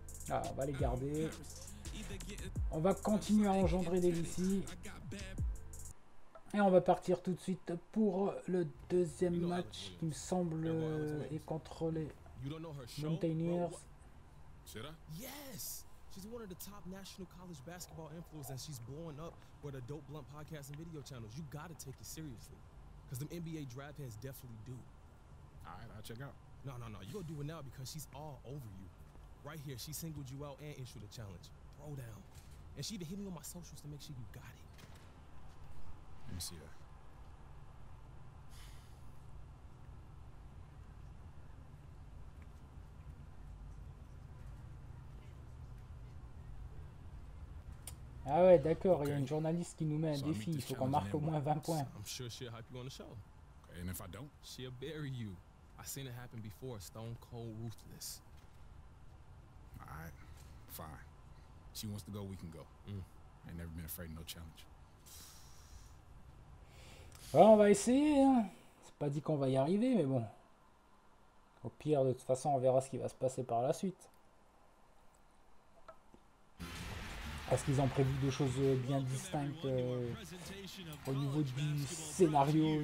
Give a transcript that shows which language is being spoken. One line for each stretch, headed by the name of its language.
French: Ah, on va les garder. On va continuer à engendrer des BC. Et on va partir tout de suite pour le deuxième match qui me semble est contre les Mountaineers.
English: Yes! She's one of the top national college basketball influencers and she's blowing up with her dope blunt podcast and video channels. You gotta take it seriously. Because them NBA draft heads definitely do. All right, I'll check out. No. You gonna do it now because she's all over you. Right here, she singled you out and issued a challenge. Throw down. And she even hit me on my socials to make sure you got it. Let me see her.
French: Ah ouais, d'accord, okay. Il y a une journaliste qui nous met un défi, il faut qu'on marque au moins 20 points.
English: I'm sure she'll hype you on the show. Okay, and if I don't? She'll bury you. I seen it happen before, stone cold ruthless. Alright, fine. She wants to go, we can go. Mm. I ain't never been afraid of no challenge.
French: Ouais, on va essayer, hein. C'est pas dit qu'on va y arriver, mais bon. Au pire, de toute façon, on verra ce qui va se passer par la suite. Parce qu'ils ont prévu deux choses bien distinctes au niveau du scénario.